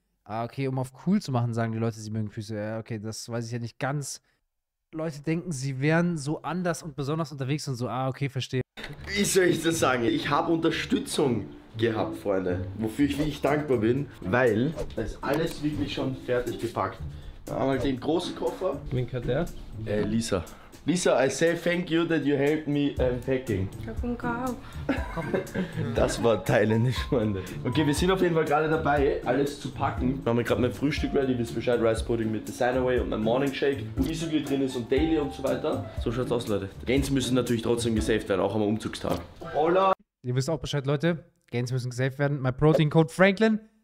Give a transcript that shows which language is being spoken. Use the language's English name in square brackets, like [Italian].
[German] Ah, okay, um auf cool zu machen, sagen die Leute, sie mögen Füße. Ja, okay, das weiß ich ja nicht ganz. Leute denken, sie wären so anders und besonders unterwegs und so. Ah, okay, verstehe. Wie soll ich das sagen? Ich habe Unterstützung gehabt, Freunde, wofür ich wirklich dankbar bin, weil da ist alles wirklich schon fertig gepackt. Einmal den großen Koffer. Wen hat der? Lisa. [English] Lisa, I say thank you that you helped me packing. [German] Das war thailändisch, Freunde. Okay, wir sind auf jeden Fall gerade dabei, alles zu packen. Wir haben gerade mein Frühstück ready, wisst Bescheid, Rice Pudding mit Designerway und mein Morning Shake, wo Isogel drin ist und Daily und so weiter. So schaut's aus, Leute. Gänse müssen natürlich trotzdem gesaved werden, auch am Umzugstag. Hola! Ihr wisst auch Bescheid, Leute. Gänse müssen gesaved werden. Mein Protein Code Franklin.